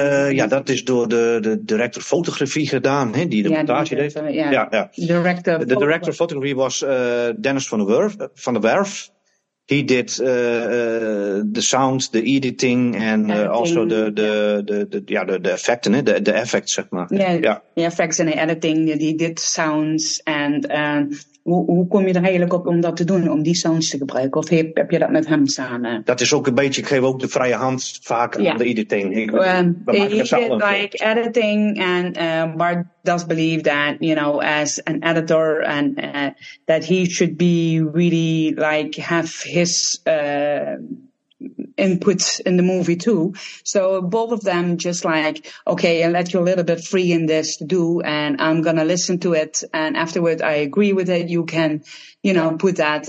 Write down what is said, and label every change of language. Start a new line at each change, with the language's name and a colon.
Dutch: Ja, dat is door de director fotografie gedaan, hè, die de montage deed. De director fotografie was Dennis van der Werf.
English: He did the sound, the editing and also the effecten, the effects,
Dutch: zeg maar.
English: The effects and the editing, die did sounds.
Dutch: En hoe kom je er eigenlijk op om dat te doen, om die sounds te gebruiken? Of heb je dat met hem samen? Dat is ook een beetje, ik geef ook de vrije hand vaak aan de editing.
English: Editing and Bart does believe that, you know, as an editor and that he should be really like have his input in the movie too. So both of them just like, okay, I'll let you a little bit free in this to do, and I'm gonna listen to it, and afterward I agree with it, you can, you know, put that.